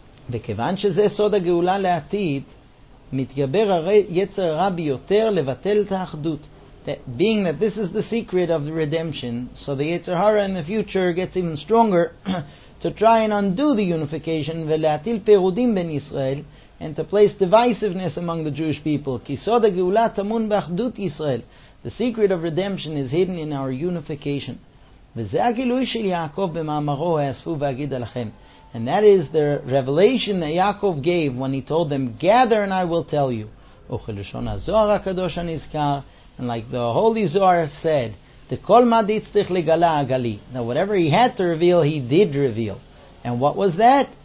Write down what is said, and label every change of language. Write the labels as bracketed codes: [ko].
[he] וכיוון שזה סוד הגאולה לעתיד, מתגבר היצר הרע ביותר לבטל את האחדות. [en] Being that this is the secret of the redemption, so the Yetzer Hara in the future gets even stronger to try and undo the unification, [he] ולהטיל פירודים בין ישראל, [en] and to place divisiveness among the Jewish people. [he] כי סוד הגאולה תמון באחדות ישראל. [en] The secret of redemption is hidden in our unification. [he] וזה הגילוי של יעקב במאמרו, היאספו ואגיד עליכם. [en] And that is the revelation that Yaakov gave when he told them, gather and I will tell you. [he] Uchelushon HaZohar HaKadosh HaNizkar. [en] And like the Holy Zohar said, [he] Dekol Madit Tzich Ligala Agali. [en] Now whatever he had to reveal, he did reveal. And what was that?